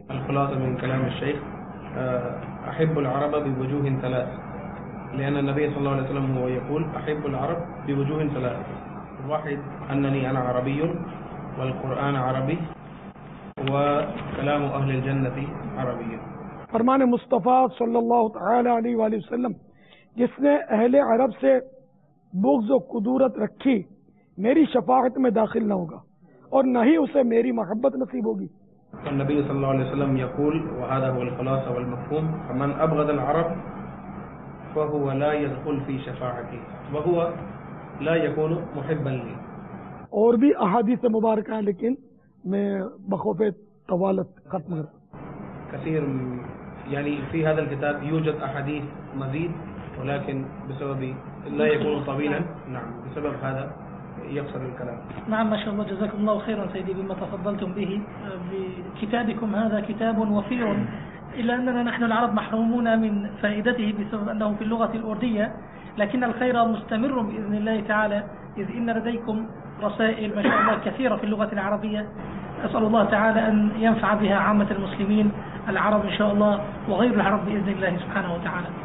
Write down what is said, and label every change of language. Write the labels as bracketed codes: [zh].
[ar] الخلاصہ من کلام الشیخ، احب العرب بوجوہ ثلاث، لان النبی صلی اللہ علیہ وسلم هو يقول احب العرب بوجوہ ثلاث، واحد انني انا عربی والقران عربی وكلام اهل الجنت عربی. [ur] فرمان مصطفی صلی اللہ تعالی علیہ وآلہ وسلم، جس نے اہل عرب سے بغض و قدورت رکھی میری شفاعت میں داخل نہ ہوگا اور نہ ہی اسے میری محبت نصیب ہوگی. [ar] النبی صلی اللہ علیہ وسلم يقول وهذا هو الخلاصه والمفهوم، فمن ابغض العرب فهو لا يدخل في شفاعتي وهو لا يكون محبا لي. [ur] اور بھی احادیث مبارکہ ہیں لیکن میں بخوف طوالت ختم کر کثیر [ar] يعني في هذا الكتاب يوجد أحاديث مزيد، ولكن بسبب لا يكون طويلا، نعم بسبب هذا يقصر الكلام. نعم ما شاء الله، جزاكم الله خيرا سيدي بما تفضلتم به بكتابكم، هذا كتاب وفير، إلا أننا نحن العرب محرومون من فائدته بسبب أنه في اللغة الأردية، لكن الخير مستمر بإذن الله تعالى، إذ إن لديكم رسائل ما شاء الله كثيرة في اللغة العربية، أسأل الله تعالى أن ينفع بها عامة المسلمين العرب إن شاء الله وغير العرب بإذن الله سبحانه وتعالى